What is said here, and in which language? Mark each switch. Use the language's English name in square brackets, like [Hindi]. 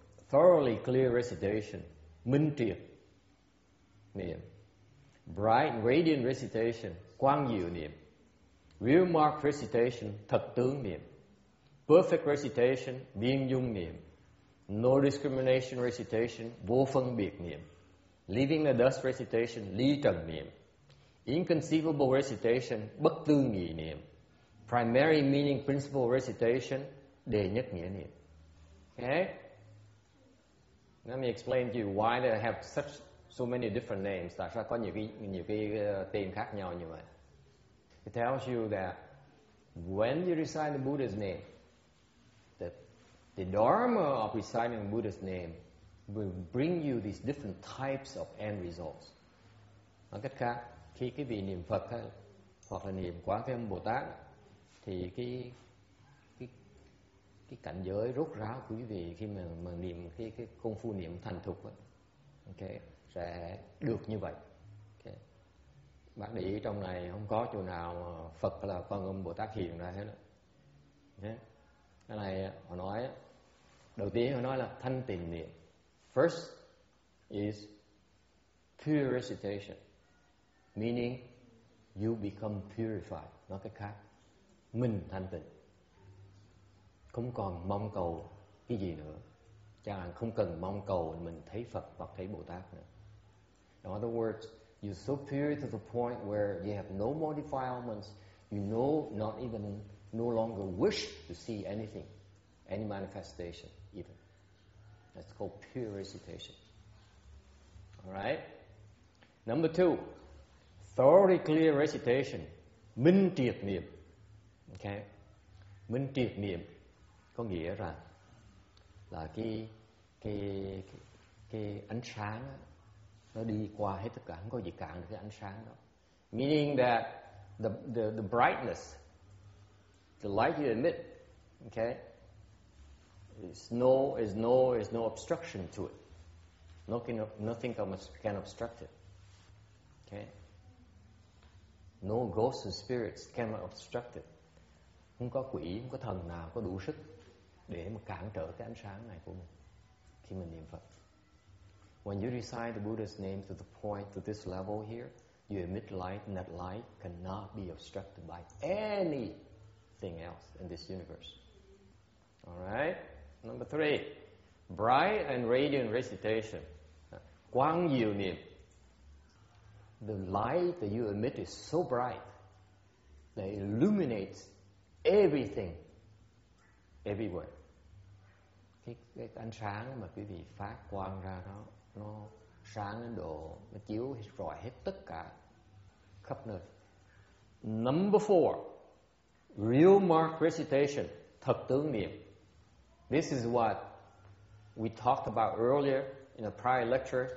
[English] thoroughly clear recitation, minh triệt niệm, bright radiant recitation, quang diệu niệm, real mark recitation, thật tướng niệm, perfect recitation, viên dung niệm, no discrimination recitation, vô phân biệt niệm, leaving the dust recitation, ly trần niệm, inconceivable recitation, bất tư nghị niệm, primary meaning principle recitation, đề nhất nghĩa niệm. Okay? Let me explain to you why they have such so many different names. [Vietnamese] Tại sao có nhiều cái tên khác nhau như vậy? [English] It tells you that when you recite the Buddha's name, the dharma of reciting Buddha's name will bring you these different types of end results. [Vietnamese] Nói cách khác, khi cái vị niệm Phật hay, hoặc là niệm Quán Thế Âm Bồ Tát thì cái cảnh giới rốt ráo của quý vị khi mà niệm cái công phu niệm thành thục ấy, okay, sẽ được như vậy. Okay. Bác để ý trong này không có chỗ nào mà Phật là Quán Thế Âm Bồ Tát hiện ra hết. Đó. Okay. Cái này họ nói đầu tiên họ nói là thanh tịnh niệm. [English] First is pure recitation, meaning you become purified. [Vietnamese] Nói cách khác, mình thanh tịnh, không còn mong cầu cái gì nữa. Chẳng hạn không cần mong cầu mình thấy Phật hoặc thấy Bồ Tát nữa. [English] In other words, you're so pure to the point where you have no more defilements. You know, not even no longer wish to see anything, any manifestation even. That's called pure recitation. All right? Number two, thoroughly clear recitation, minh triệt niệm. Okay? [Vietnamese] Minh triệt niệm có nghĩa là cái ánh sáng nó đi qua hết tất cả, không có gì cản được cái ánh sáng đó. [English] Meaning that the brightness, the light you emit, okay, It's no obstruction to it. Nothing can obstruct it. Okay. No ghosts and spirits can obstruct it. [Vietnamese] Không có quỷ, không có thần nào có đủ sức để mà cản trở cái ánh sáng này của mình khi mình niệm Phật. [English] When you recite the Buddha's name to the point to this level here, you emit light, and that light cannot be obstructed by anything else in this universe. All right. Number three, bright and radiant recitation. Quang diệu niệm. The light that you emit is so bright that it illuminates everything, everywhere. [Vietnamese] Cái ánh sáng mà quý vị phát quang ra đó, nó sáng đến độ nó chiếu rọi hết tất cả khắp nơi. [English] Number four, real mark recitation, thật tướng niệm. This is what we talked about earlier in a prior lecture.